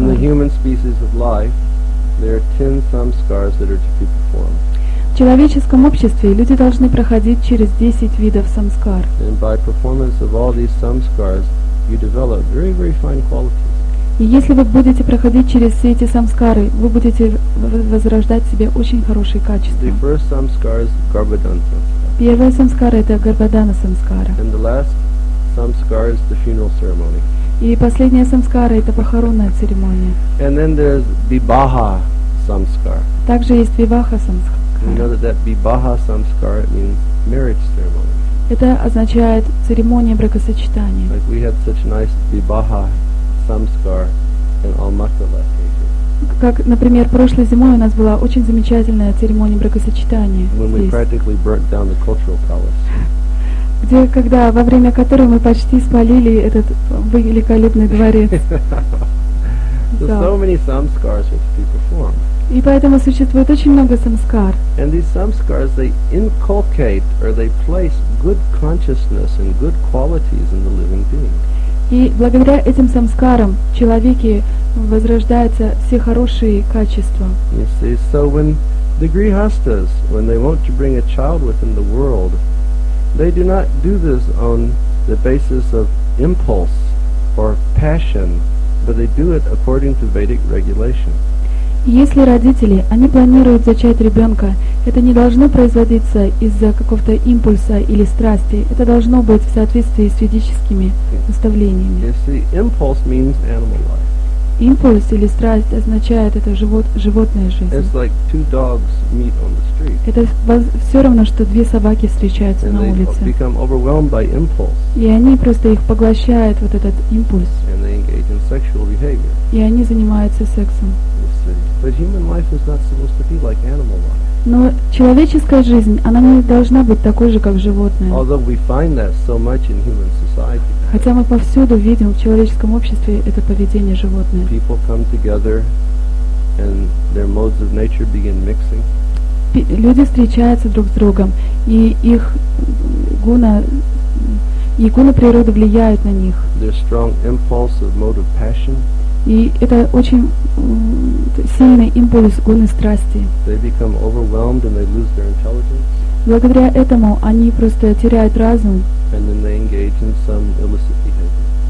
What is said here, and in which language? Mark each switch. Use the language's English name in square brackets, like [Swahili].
[English] In the human species of life, there are 10 samskars that are to be performed. [Russian] В человеческом обществе люди должны проходить через 10 видов самскар. [English] And by performance of all these samskars, you develop very, very fine qualities. [Russian] И если вы будете проходить через все эти самскары, вы будете возрождать в себе очень хорошие качества. [English] The first samskar is Garbhadana samskara. [Russian] Первая самскара — это Гарбхадана самскара. [English] And the last samskar is the funeral ceremony. [Russian] И последняя самскара — это похоронная церемония. [English] And then there's Vibaha samskar. [Russian] Также есть Vibaha самскара. [English] You know that Vibaha samskara means marriage ceremony. [Russian] Это означает церемония бракосочетания. [English] Like we had such nice Vibaha samskara in Almaty last year. [Russian] Как, например, прошлой зимой у нас была очень замечательная церемония бракосочетания. [English] When we practically burnt down the cultural palace. [Russian] Где, когда, во время которой мы почти спалили этот великолепный дворец. [English] So many samskars were to be performed. [Russian] И поэтому существует очень много самскар. [English] And these samskars, they inculcate or they place good consciousness and good qualities in the living being. [Russian] И благодаря этим самскарам в человеке возрождаются все хорошие качества. [English] You see, so when the grihasthas, when they want to bring a child within the world, they do not do this on the basis of impulse or passion, but they do it according to Vedic regulation. [Russian] Если родители, они планируют зачать ребенка, это не должно производиться из-за какого-то импульса или страсти. Это должно быть в соответствии с ведическими наставлениями. [English] You see, impulse means animal life. [Russian] Импульс или страсть означает это животная жизнь. [English] It's like two dogs meet on the street. [Russian] Это все равно, что две собаки встречаются [English] And [Russian] на улице. [English] They become overwhelmed by impulse. [Russian] И они просто их поглощает вот этот импульс. [English] And they engage in sexual behavior. [Russian] И они занимаются сексом. [English] But human life is not supposed to be like animal life. [Russian] Но человеческая жизнь, она не должна быть такой же, как животное. [English] Although we find that so much in human society. [Russian] Хотя мы повсюду видим в человеческом обществе это поведение животных. [English] People come together and their modes of nature begin mixing. [Russian] Люди встречаются друг с другом, и их гуна и гуна природы влияют на них. [English] There's strong impulse of mode of passion. [Russian] И это очень сильный импульс гуны страсти. [English] They become overwhelmed and they lose their intelligence. [Russian] Благодаря этому они просто теряют разум. [English] And then they engage in some illicit behavior.